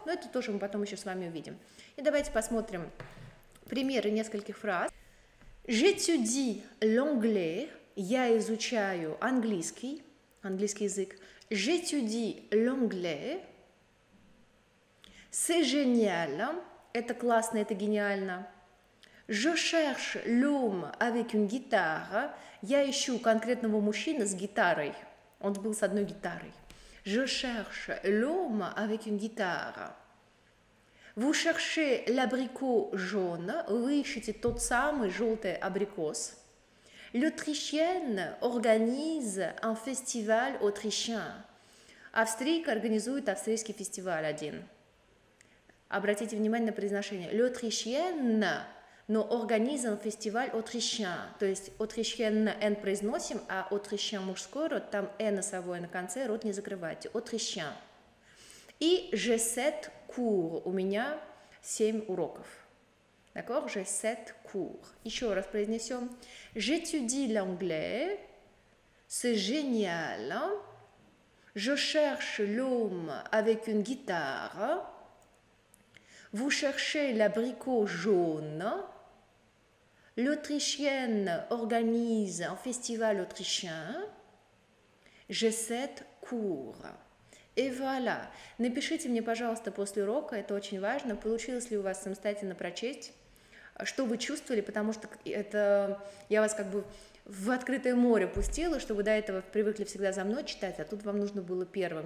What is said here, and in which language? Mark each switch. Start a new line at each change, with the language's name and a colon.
Russian: Но это тоже мы потом еще с вами увидим. И давайте посмотрим примеры нескольких фраз.
French: J'étudie l'anglais.
Russian: Я изучаю английский. Английский язык.
French: J'étudie l'anglais. C'est génial.
Russian: Это классно, это гениально.
French: Je cherche l'homme avec une guitare.
Russian: Я ищу конкретного мужчину с гитарой. Он был с одной гитарой.
French: Je cherche l'homme avec une guitare. Vous cherchez l'abricot jaune.
Russian: Вы ищете тот самый желтый абрикос.
French: L'autrichienne organise un festival autrichien.
Russian: Австрийка организует австрийский фестиваль один. Обратите внимание на произношение.
French: L'autrichienne, но organise un festival autrichien.
Russian: То есть autrichienne N произносим, а autrichien мужской род, там N носовой на конце, рот не закрывайте.
French: Autrichien. И j'ai 7 cours.
Russian: У меня 7 уроков.
French: D'accord? J'ai 7 cours.
Russian: Еще раз произнесем.
French: J'étudie l'anglais. C'est génial. Je cherche l'homme avec une guitare. Vous cherchez l'abricot jaune. L'autrichienne organise un festival autrichien. J'ai 7 cours. Et voilà.
Russian: Напишите мне, пожалуйста, после урока, это очень важно, получилось ли у вас самостоятельно прочесть. Что вы чувствовали, потому что это я вас как бы в открытое море пустила, что вы до этого привыкли всегда за мной читать, а тут вам нужно было первым.